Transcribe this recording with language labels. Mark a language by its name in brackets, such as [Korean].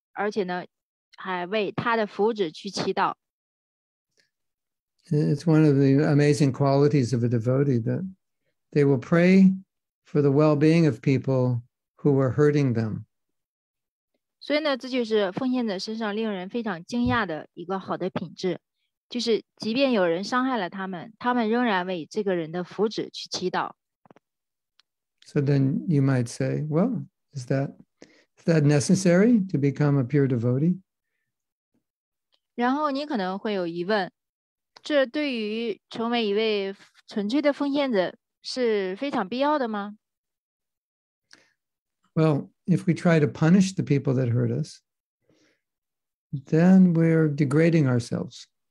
[Chinese] 而且呢，他不但没有任何的这种憎恨，而且呢，还为他的福祉去祈祷。 [English] It's one of the amazing qualities of a devotee that they will pray for the well-being of people who were hurting them. [Chinese] 所以呢，这就是奉献者身上令人非常惊讶的一个好的品质。就是即便有人伤害了他们，他们仍然为这个人的福祉去祈祷。 [English] So then you might say, well, is that necessary to become a pure devotee? [Chinese] 然后你可能会有疑问，这对于成为一位纯粹的奉献者是非常必要的吗？ [English] Well, if we try to punish the people that hurt us, then we're degrading ourselves.